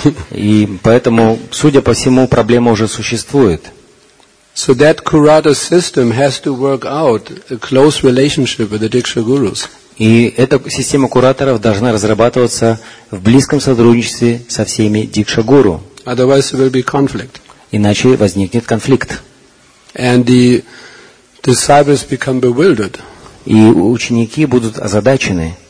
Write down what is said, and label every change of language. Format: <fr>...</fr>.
<ru>И поэтому, судя по всему, проблема уже существует.</ru> <en>So that curator system has to work out a close relationship with the Diksha Gurus.</en> <ru>И эта система кураторов должна разрабатываться в близком сотрудничестве со всеми Дикша Гуру.</ru> <en>Otherwise there will be conflict.</en> <ru>Иначе возникнет конфликт.</ru> <en>And the disciples become bewildered.</en> <ru>И ученики будут озадачены.</ru>